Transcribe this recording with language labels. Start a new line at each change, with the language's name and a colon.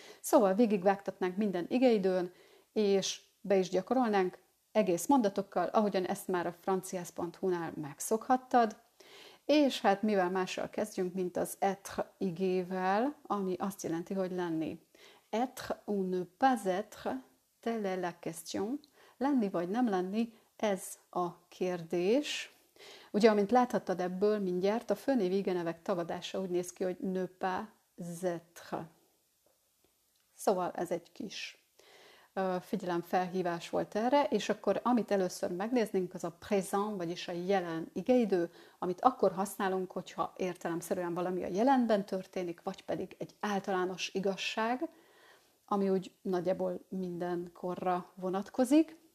Hungarian: Szóval végigvágtatnánk minden igeidőn, és be is gyakorolnánk egész mondatokkal, ahogyan ezt már a franciász.hu-nál megszokhattad. És hát mivel mással kezdjünk, mint az être igével, ami azt jelenti, hogy lenni.
French: Être ou ne pas être, telle est la question.
Hungarian: Lenni vagy nem lenni, ez a kérdés. Ugye, amint láthattad ebből mindjárt, a főnév igenevek tagadása úgy néz ki, hogy
French: ne pas être.
Hungarian: Szóval ez egy kis figyelemfelhívás volt erre, és akkor amit először megnéznénk, az a présent, vagyis a jelen igeidő, amit akkor használunk, hogyha értelemszerűen valami a jelenben történik, vagy pedig egy általános igazság, ami úgy nagyjából mindenkorra vonatkozik.